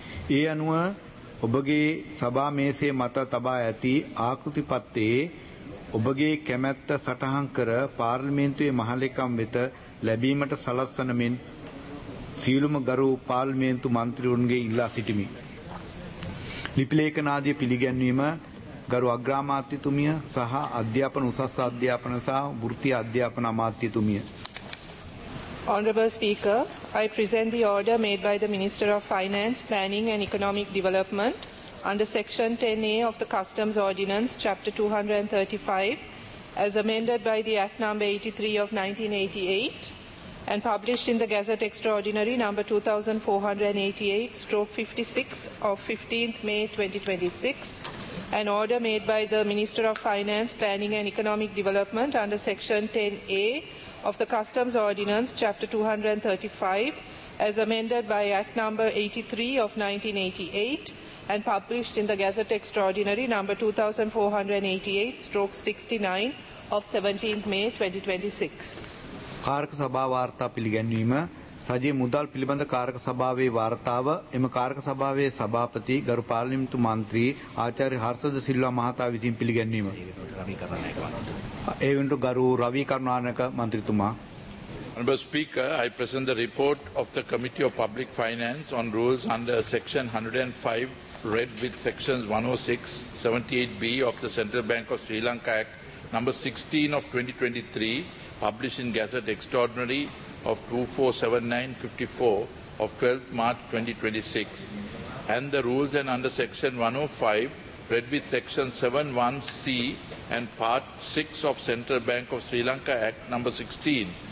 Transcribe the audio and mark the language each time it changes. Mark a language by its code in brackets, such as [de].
[si] ඒ අනුව ඔබගේ සභා මේසේ මත තබා ඇති ආකෘතිපත්තේ ඔබගේ කැමැත්ත සටහන් කර පාර්ලිමේන්තුවේ මහලිකම් වෙත ලැබීමට සලස්වන මෙන් සියලුම ගරු පාර්ලිමේන්තු මන්ත්‍රීවරුන්ගේ ඉල්ලා සිටිමි. ලිපිලේඛනාදිය පිළිගැන්වීම ගරු අග්‍රාමාත්‍යතුමිය සහ අධ්‍යාපන උසස් අධ්‍යාපන සහ වෘත්ති අධ්‍යාපන අමාත්‍යතුමිය. [en] Honorable Speaker, I present the order made by the Minister of Finance, Planning and Economic Development under Section 10A of the Customs Ordinance, Chapter 235, as amended by the Act No. 83 of 1988 and published in the Gazette Extraordinary No. 2488/56 of 15th May 2026, an order made by the Minister of Finance, Planning and Economic Development under Section 10A of the Customs Ordinance, Chapter 235, as amended by Act No. 83 of 1988 and published in the Gazette Extraordinary No. 2488/69 of 17th May 2026. [si] කාරක සභා වාර්තා පිළිගැන්වීම රජයේ මුදල් පිළිබඳ කාරක සභාවේ වාර්තාව එම කාරක සභාවේ සභාපති ගරු පාර්ලිමේන්තු මන්ත්‍රී ආචාර්ය හර්ෂද සිල්වා මහතා විසින් පිළිගැන්වීම. ඒ වෙනුවට ගරු රවි Karunanayake මන්ත්‍රීතුමා. [en] Honorable Speaker, I present the report of the Committee of Public Finance on rules under Section 105, read with Sections 106, 78B of the Central Bank of Sri Lanka Act, No. 16 of 2023, published in Gazette Extraordinary of 247954 of 12th March 2026, and the rules and under Section 105, read with Section 71C and Part 6 of Central Bank of Sri Lanka Act, No. 16.